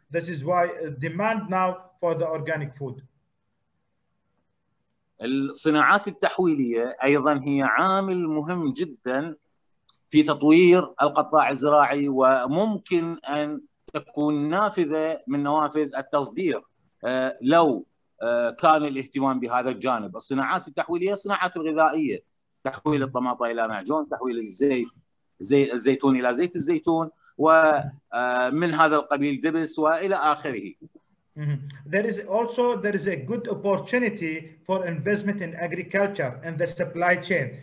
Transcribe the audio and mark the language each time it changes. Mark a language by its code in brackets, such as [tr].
[en] This is why demand now for the organic food. [ar] الصناعات التحويلية أيضا هي عامل مهم جدا في تطوير القطاع الزراعي، وممكن أن تكون نافذة من نوافذ التصدير لو كان الاهتمام بهذا الجانب. الصناعات التحويلية صناعات الغذائية، تحويل الطماطة إلى معجون، تحويل الزيت زي الزيتون إلى زيت الزيتون، ومن هذا القبيل دبس وإلى آخره. [en] There is a good opportunity for investment in agriculture and the supply chain.